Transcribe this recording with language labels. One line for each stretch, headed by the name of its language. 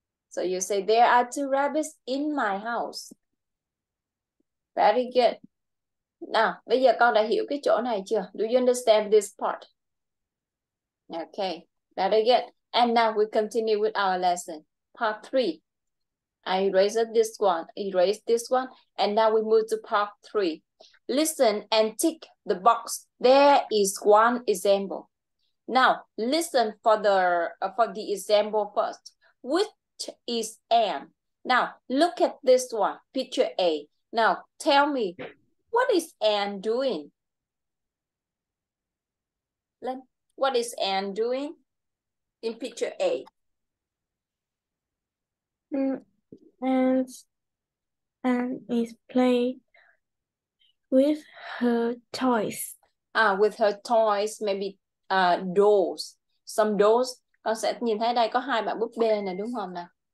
English: So you say there are two rabbits in my house. Very good.
Vietnamese: Now, bây giờ con đã hiểu cái chỗ này chưa?
English: Do you understand this part? Okay, very good. And now we continue with our lesson. Part three. I erased this one, erased this one. And now we move to part three. Listen and tick the box. There is one example. Now, listen for the example first. Which is M? Now, look at this one, picture A. Now, tell me, what is M doing? Len, what is M doing in picture A? And is playing with her toys. Ah, with her toys, maybe dolls, some dolls.
Vietnamese: Con sẽ nhìn thấy đây có hai bạn búp bê này đúng không nào?